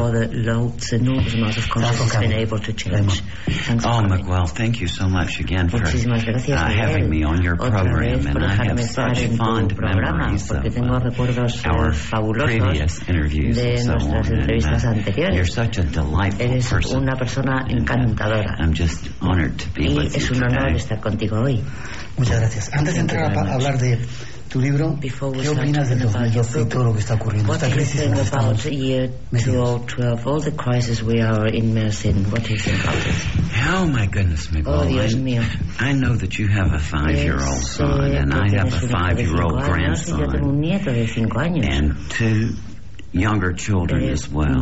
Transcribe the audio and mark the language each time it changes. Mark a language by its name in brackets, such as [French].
[English] Oh, Miguel, thank you so much again for having me on your program, and I have such fond memories of our previous interviews and so on, and you're such a delightful person. I'm just honored to be with you today. [Spanish] Estar contigo hoy. Muchas gracias. Antes de entrar a hablar de tu libro, ¿qué opinas de 2012 y todo lo que está ocurriendo? [English] What [Spanish] esta crisis en la que estamos metidos. [English] All the crisis we are immersed in, what do you think about this? Oh, my goodness, Miguel. [Spanish] Oh, Dios mío. [English] I know that you have a five-year-old son, and I have a five-year-old grandson. [Spanish] Yo tengo un nieto de cinco años. [English] And two younger children as well.